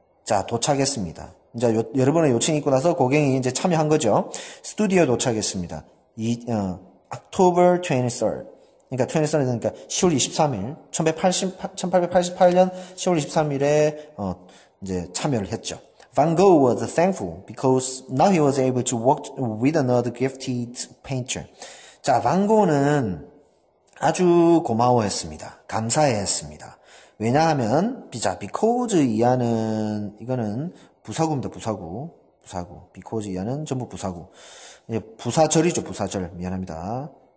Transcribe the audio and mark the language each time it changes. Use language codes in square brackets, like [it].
[ko] 자, 도착했습니다. 이제 여러분의 요청이 있고 나서 고갱이 이제 참여한 거죠. 스튜디오 도착했습니다. [en] October 23rd. [ko] 그러니까 23rd이니까 그러니까 10월 23일. 1888년 10월 23일에 이제 참여를 했죠. [en] Van Gogh was thankful because now he was able to work with another gifted painter. [ko] 자, 반고는 아주 고마워했습니다. 감사했습니다. 왜냐하면 비자 because 이하는 이거는 부사구입니다. 부사구. Because 이하는 전부 부사구. 이제 부사절이죠. 부사절. 미안합니다.